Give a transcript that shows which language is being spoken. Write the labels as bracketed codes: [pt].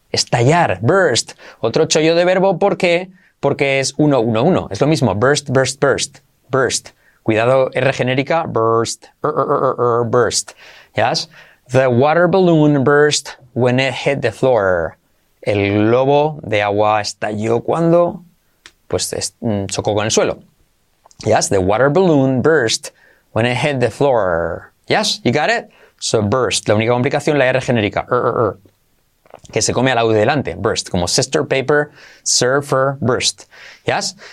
[es] Estallar, burst. Otro chollo de verbo, ¿por qué? Porque es 1-1-1. Es lo mismo, burst, burst, burst, burst. Cuidado, R genérica, burst, burst. ¿Yes? [en] The water balloon burst when it hit the floor. [es] El globo de agua estalló cuando chocó con el suelo. [en] ¿Yes? The water balloon burst when it hit the floor. ¿Yes? You got it? So, burst. [es] La única complicación, la R genérica, que se come a la U de delante, burst, como sister paper, surfer, burst, ¿yes?